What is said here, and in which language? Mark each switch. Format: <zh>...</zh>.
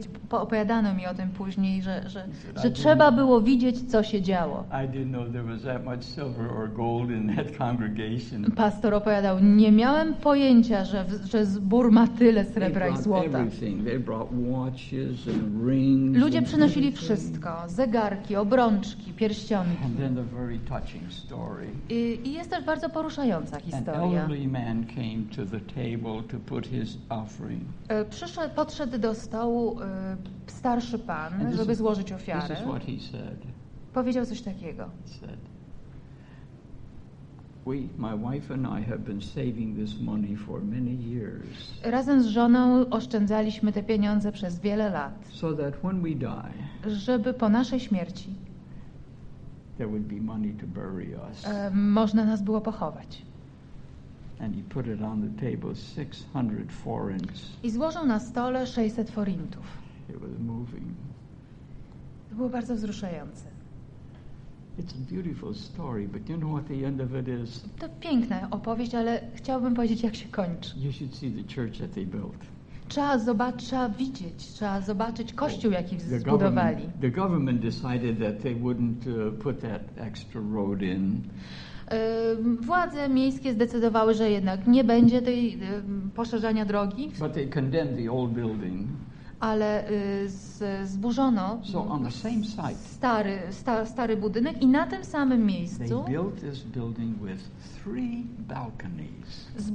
<pl>Opowiadano mi o tym później, że trzeba było widzieć, co się działo.</pl> <en>I didn't know there was that much silver or gold in that congregation.</en> <pl>Pastor opowiadał, nie miałem pojęcia, że zbór ma tyle srebra i złota.</pl> <en>They brought watches and rings.</en> <pl>Ludzie przynosili wszystko, zegarki, obrączki, pierścionki.</pl> <en>And then the very touching story.</en> <pl>I jest też bardzo poruszająca historia.</pl> <en>An elderly man came to the table to put his offering.</en> <pl>Podszedł do stołu starszy pan, żeby złożyć ofiarę.</pl> <en>This is what he said.</en> <pl>Powiedział coś takiego.</pl> <en>He said, my wife and I have been saving this money for many years.</en> <pl>Razem z żoną oszczędzaliśmy te pieniądze przez wiele lat.</pl> <en>So that when we die,</en> <pl>żeby po naszej śmierci</pl> <en>there would be money to bury us.</en> <pl>Można nas było pochować.</pl> <en>And he put it on the table, 600 forints.</en> <pl>I złożył na stole 600 forintów.</pl> <en>It was moving.</en> <pl>To było bardzo wzruszające.</pl> <en>It's a beautiful story, but you know what the end of it is?</en> <pl>To piękna opowieść, ale chciałbym powiedzieć, jak się kończy.</pl> <en>You should see the church that they built.</en> <pl>Trzeba zobaczyć kościół, jaki zbudowali.</pl> <en>The government decided that they wouldn't put that extra road in.</en> <pl>Władze miejskie zdecydowały, że jednak nie będzie tej poszerzania drogi.</pl> <en>But they condemned the old building.</en> <pl>Ale zburzono</pl> <en>so on the same site,</en> <pl>stary budynek i na tym samym miejscu</pl> <en>they built this building with three balconies.</en>